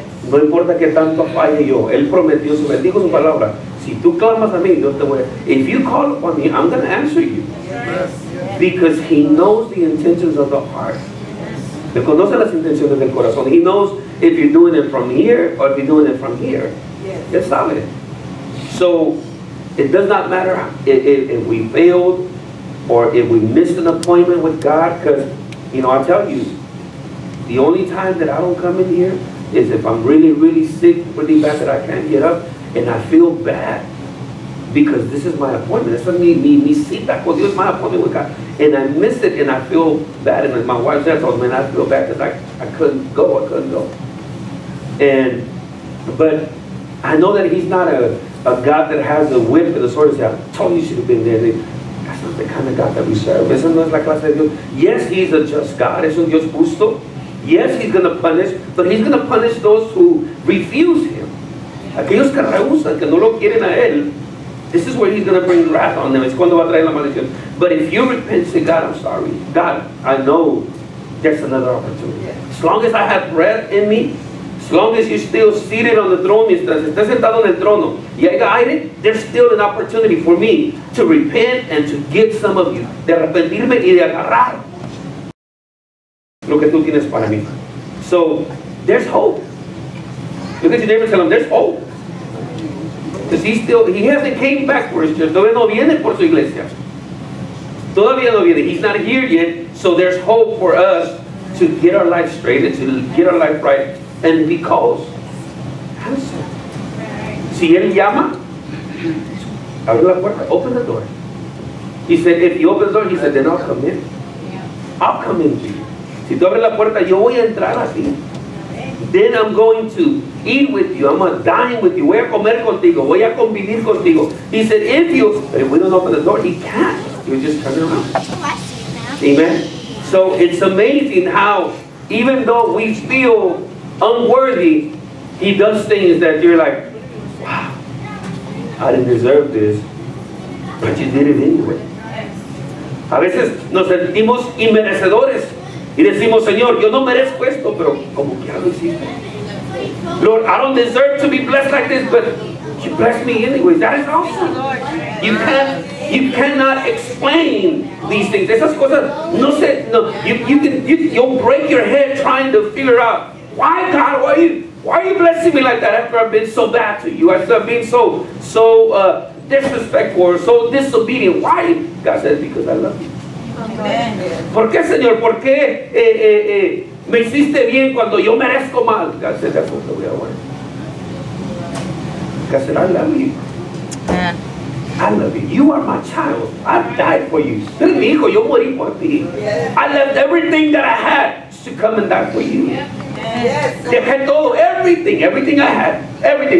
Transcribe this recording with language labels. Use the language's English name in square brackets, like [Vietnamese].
[Spanish] No importa que tanto falle yo, él prometió, él dijo su palabra. Si tú clamas a mí, yo te voy. [English] If you call upon me, I'm going to answer you. Because he knows the intentions of the heart. [Spanish] Me conoce las intenciones del corazón. [English] He knows if you're doing it from here or if you're doing it from here. [Spanish] Él sabe. [English] So it does not matter if we failed or if we missed an appointment with God. Because, you know, I tell you, the only time that I don't come in here is if I'm really, really sick, really bad that I can't get up, and I feel bad. because this is my appointment. It's not me seat back. Well, this is my appointment with God. And I miss it, and I feel bad. And my wife said, oh, man, I feel bad because I couldn't go. I couldn't go. And, but I know that he's not a God that has a whip and a sword and say, I told you should have been there. That's not the kind of God that we serve. [Spanish] Eso no es la clase de Dios. [English] Yes, he's a just God. [Spanish] Es un Dios justo. [English] Yes, he's going to punish, but he's going to punish those who refuse him. [Spanish] Aquellos que rehusan, que no lo quieren a él. [English] This is where he's going to bring wrath on them. [Spanish] Es cuando va a traer la maldición. [English] But if you repent, say, God, I'm sorry. God, I know there's another opportunity. As long as I have breath in me, as long as you're still seated on the throne, [Spanish] mientras estés sentado en el trono, y hay aire, [English] there's still an opportunity for me to repent and to give some of you, [Spanish] de arrepentirme y de agarrar lo que tú tienes para mí. [English] So, there's hope. Look at your neighbor and tell him, there's hope. Because he hasn't came back for his church. [Spanish] Todavía no viene por su iglesia. Todavía no viene. [English] He's not here yet. So there's hope for us to get our life straight and to get our life right. And because answer. [Spanish] Si él llama, abre la puerta, [English] open the door. He said, if you open the door, he said, then I'll come in. I'll come in to you. [Spanish] Si tú abres la puerta, yo voy a entrar a ti. [English] Then I'm going to eat with you. I'm going to dine with you. [Spanish] Voy a comer contigo. Voy a convivir contigo. [English] He said, if you, but if we don't open the door, he can't. You just turn around. Amen. So it's amazing how, even though we feel unworthy, he does things that you're like, wow, I didn't deserve this. But you did it anyway. [Spanish] A veces nos sentimos inmerecedores. Y decimos, Señor, yo no merezco esto, pero como que algo hiciste. [English] Lord, I don't deserve to be blessed like this, but you blessed me anyway. That is awesome. You cannot explain these things. [Spanish] Esas cosas, no sé, no. [English] You'll break your head trying to figure out, why God, why are you blessing me like that after I've been so bad to you? After I've been so disrespectful, so disobedient. Why? God says, because I love you. Amen. [Spanish] ¿Por qué, Señor? ¿Por qué me hiciste bien cuando yo merezco mal? [English] God said, that's what the way I want. God said, I love you. Yeah. I love you. You are my child. I died for you. [Spanish] Tú eres mi hijo. Yo morí por ti. [English] Yeah. I left everything that I had to come and die for you. Yeah. Yeah. [Spanish] Dejé todo, [English] everything I had. Everything.